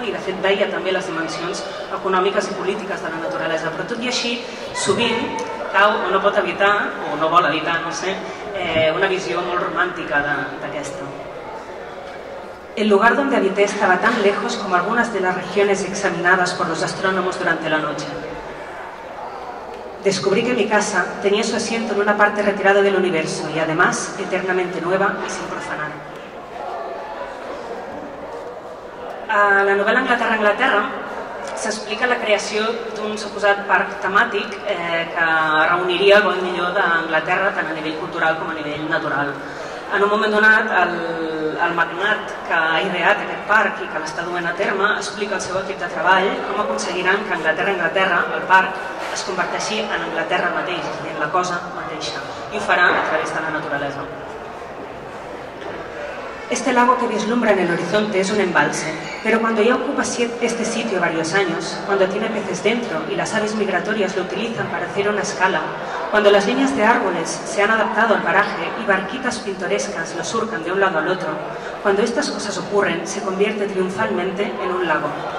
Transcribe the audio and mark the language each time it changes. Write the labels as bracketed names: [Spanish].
[Catalan] I de fet veia també les dimensions econòmiques i polítiques de la naturalesa, però tot i així, sovint, cau o no pot evitar, o no vol evitar, no sé, una visió molt romàntica d'aquesta. [Spanish] El lugar donde habité estaba tan lejos como algunas de las regiones examinadas por los astrónomos durante la noche. Descubrí que mi casa tenía su asiento en una parte retirada del universo y además eternamente nueva y sin profanar. [Catalan] A la novel·la Anglaterra, Anglaterra, s'explica la creació d'un suposat parc temàtic que reuniria el bon millor d'Anglaterra tant a nivell cultural com a nivell natural. En un moment donat, el magnat que ha ideat aquest parc i que l'està duent a terme explica al seu equip de treball com aconseguiran que Anglaterra, Anglaterra, el parc, es converteixi en Anglaterra mateix, és a dir, en la cosa mateixa, i ho farà a través de la naturalesa. [Spanish] Este lago que vislumbra en el horizonte es un embalse, pero cuando ya ocupa este sitio varios años, cuando tiene peces dentro y las aves migratorias lo utilizan para hacer una escala, cuando las líneas de árboles se han adaptado al paraje y barquitas pintorescas lo surcan de un lado al otro, cuando estas cosas ocurren, se convierte triunfalmente en un lago.